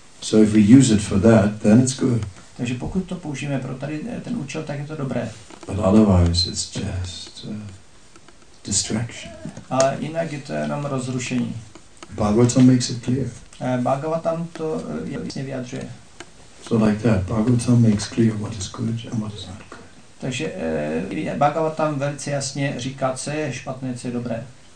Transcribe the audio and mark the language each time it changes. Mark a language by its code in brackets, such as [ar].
[en] So if we use it for that, then it's good. [cs] Takže pokud to použijeme pro tady ten účel, tak je to dobré. [en] But otherwise it's just distraction. [cs] Ale jinak je to jenom rozrušení. [en] Bhagavatam makes it clear. [cs] Bhagavatam to jasně vyjadřuje. [en] So like that, Bhagavatam makes clear what is good and what is not good. [cs] Takže Bhagavatam velice jasně říká, co je špatné, co je dobré.